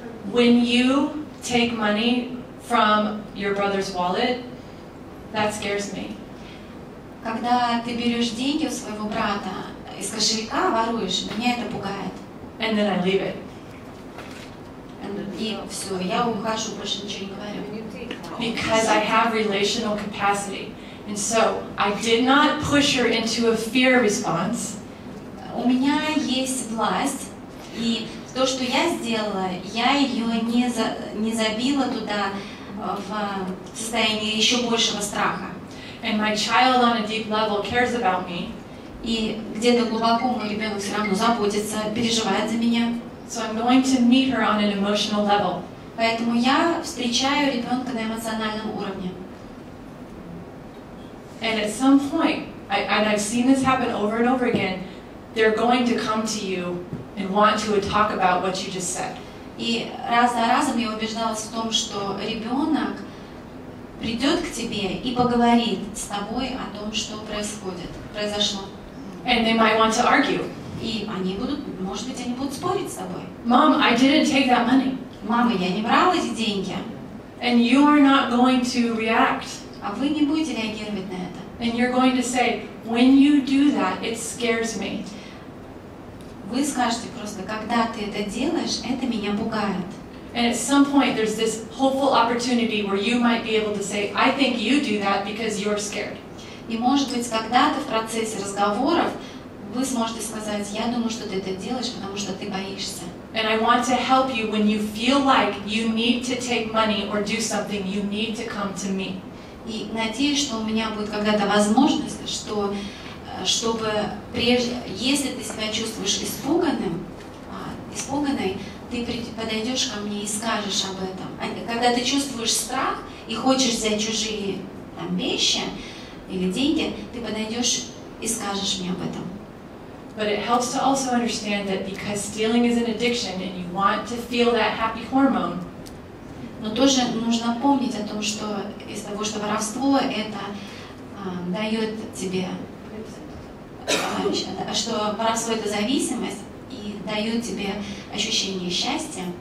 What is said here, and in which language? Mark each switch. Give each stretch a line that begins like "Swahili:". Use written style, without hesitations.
English: When you take money from your brother's wallet, that scares me.
Russian: Когда ты берешь деньги у своего брата из кошелька, воруешь, меня это пугает.
English: And then I leave it.
Russian: И все, я ухожу, больше ничего не говорю.
English: Because I have relational capacity, and so I did not push her into a fear response.
Russian: У меня есть власть, и то, что я сделала, я ее не забила туда в состояние еще большего страха.
English: And my child on a deep level cares about me.
Russian: И где-то глубоко мой ребенок все равно заботится, переживает за меня.
English: So I'm going to meet her on an emotional level.
Russian: Поэтому я встречаю ребенка на эмоциональном уровне.
English: And at some point, and I've seen this happen over and over again, they're going to come to you and want to talk about what you just said.
Russian: И раз за разом я убеждалась в том, что ребенок придет к тебе и поговорит с тобой о том, что произошло.
English: And they might want to argue.
Russian: И они будут, может быть, они будут спорить с тобой.
English: Mom, I didn't take that money.
Russian: Мама, я не брала эти деньги.
English: And you are not going to react.
Russian: А вы не будете реагировать на это.
English: And you're going to say, when you do that, it scares me.
Russian: Вы скажете просто, когда ты это делаешь, это меня пугает.
English: And at some point, there's this hopeful opportunity where you might be able to say, I think you do that because you're scared.
Russian: И может быть, когда-то в процессе разговоров вы сможете сказать, я думаю, что ты это делаешь, потому что ты боишься.
English: And I want to help you when you feel like you need to take money or do something, you need to come to me.
Russian: И надеюсь, что у меня будет когда-то возможность, что чтобы прежде, если ты себя чувствуешь испуганной, ты подойдешь ко мне и скажешь об этом. Когда ты чувствуешь страх и хочешь взять чужие там вещи или деньги, ты подойдешь и скажешь мне об этом.
English: But it helps to also understand that because stealing is an addiction and you want to feel that happy hormone.
Russian: Но тоже нужно помнить о том, что из того, что воровство это дает тебе, что воровство это зависимость и дает тебе ощущение счастья.